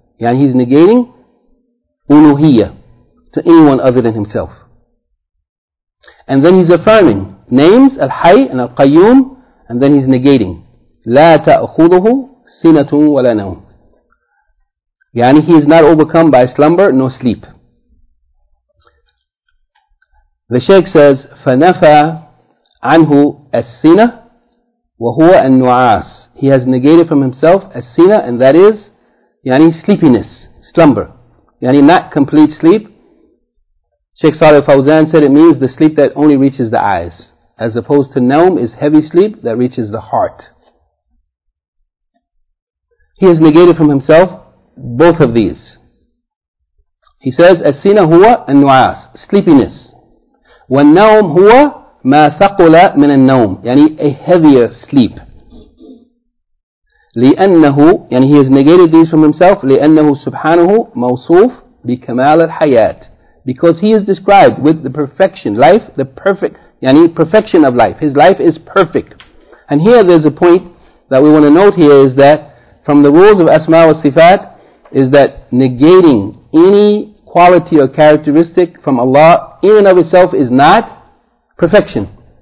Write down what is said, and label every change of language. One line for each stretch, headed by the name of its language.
English: Yani He's negating uluhiyya to anyone other than Himself. And then He's affirming names, Al-Hayy and Al-Qayyum, and then He's negating La ta'khudhuhu sinatun wala nawm. Yani He is not overcome by slumber nor sleep. The Shaykh says,
Arabic: فَنَفَى عَنْهُ السِّنَةِ وَهُوَ النُّعَاسِ.
English: He has negated from Himself السِّنَةِ, and that is yani sleepiness, slumber. Yani not complete sleep. Shaykh Saleh Fawzan said it means the sleep that only reaches the eyes, as opposed to nawm is heavy sleep that reaches the heart. He has negated from Himself both of these. He says,
Arabic: السِّنَةِ هُوَ النُّعَاسِ,
English: sleepiness.
Arabic: والنوم هو ما ثقل من النوم, يعني
English: a heavier sleep.
Arabic: لأنه, يعني
English: he has negated these from himself,
Arabic: لأنه سبحانه موصوف بكمال الحياة.
English: Because he is described with the perfection, life, the perfect, يعني perfection of life. His life is perfect. And here there's a point that we want to note here is that from the rules of Asma wa Sifat is that negating any quality or characteristic from Allah in and of itself is not perfection.